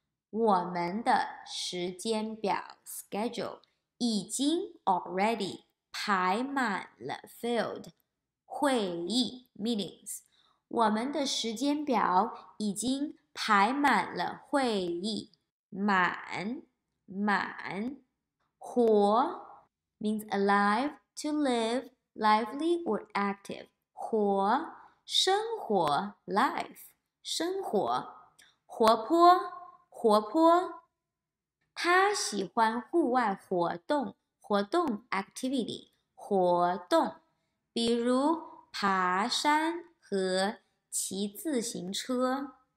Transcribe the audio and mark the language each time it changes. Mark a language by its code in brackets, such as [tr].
[zh] 我们的时间表 schedule 已经 already 排满了 filled 会议 meetings。我们的时间表已经排满了会议，满满。 [en] 活 means alive, to live, lively or active. [zh] 活，生活 ，life， 生活，活泼，活泼。他喜欢户外活动，活动 activity， 活动，比如爬山和骑自行车。